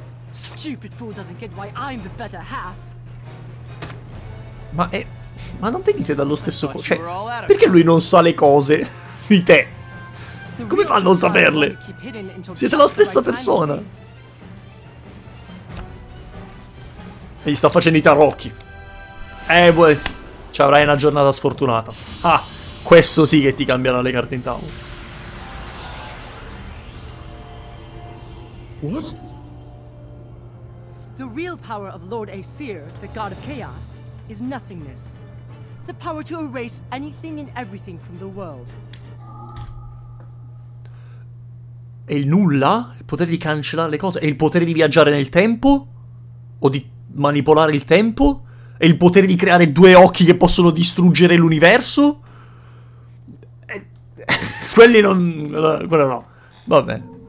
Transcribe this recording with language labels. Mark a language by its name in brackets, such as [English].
[English] Stupid fool doesn't get why I'm the better half. [Italian] Ma non venite dallo stesso co- cioè, perché lui non sa le cose di te? Come fa a non saperle? Siete la stessa persona. E gli sta facendo i tarocchi. Ci avrai una giornata sfortunata. Ah, questo sì che ti cambierà le carte in tavola. [English] What? The real power of Lord Aesir, the God of Chaos, is nothingness. The power to erase anything and everything from the world. [Italian] È il nulla? Il potere di cancellare le cose? È il potere di viaggiare nel tempo? O di manipolare il tempo? È il potere di creare due occhi che possono distruggere l'universo? Quelli non... Quello no. Va bene.